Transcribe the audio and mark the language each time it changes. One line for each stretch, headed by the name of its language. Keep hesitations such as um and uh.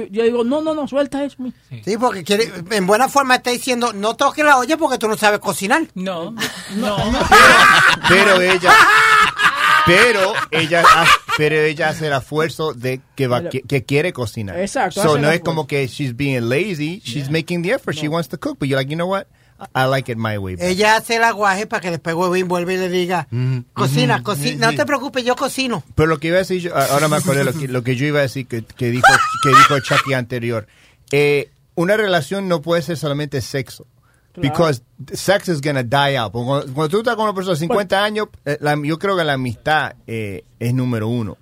Spanish: Y yo digo, no, no, no, suelta eso. Sí. sí, porque quiere, en buena forma está diciendo, no toques la olla porque tú no sabes cocinar. No, no. no. Pero, pero, pero, pero ella. ella pero ella pero ella hace el esfuerzo de que va, que, que, quiere cocinar exacto so no es pues. como que
English: she's being lazy she's yeah. making the effort no. she wants to cook but you're like you know what I like it my way.
Spanish: Ella but. hace el aguaje para que después vuelva y le diga, cocina, cocina, no te preocupes, yo cocino. Pero lo que iba a decir, yo, ahora me acordé lo que, lo que yo iba a decir que, que dijo que dijo Chucky anterior. Eh, una relación no puede ser solamente sexo. Porque claro.
English: Because sex is going die out.
Spanish: Cuando, cuando, tú estás con una persona de 50 pues, años, la, yo creo que la amistad eh, es número uno.